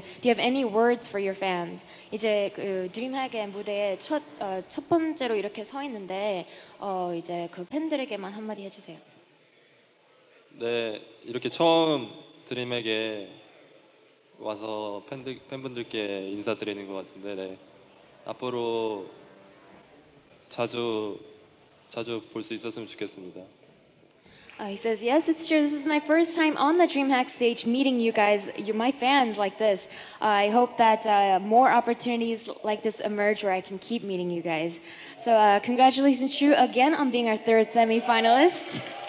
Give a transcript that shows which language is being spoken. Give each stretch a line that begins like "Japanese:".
English: Do you have any words for your fans?
Korean: 이제 그 DreamHack의 무대에 첫 번째로 이렇게 서 있는데 이제 그 팬들에게만 한마디 해주세요. 네, 이렇게 처음 DreamHack에 와서 팬분들께 인사드리는 것 같은데 네. 앞으로 자주 볼 수 있었으면 좋겠습니다.
English: He says, yes, it's true. This is my first time on the DreamHack stage meeting you guys, you're my fans like this. I hope that more opportunities like this emerge where I can keep meeting you guys. So congratulations, Chu, again on being our third semi-finalist.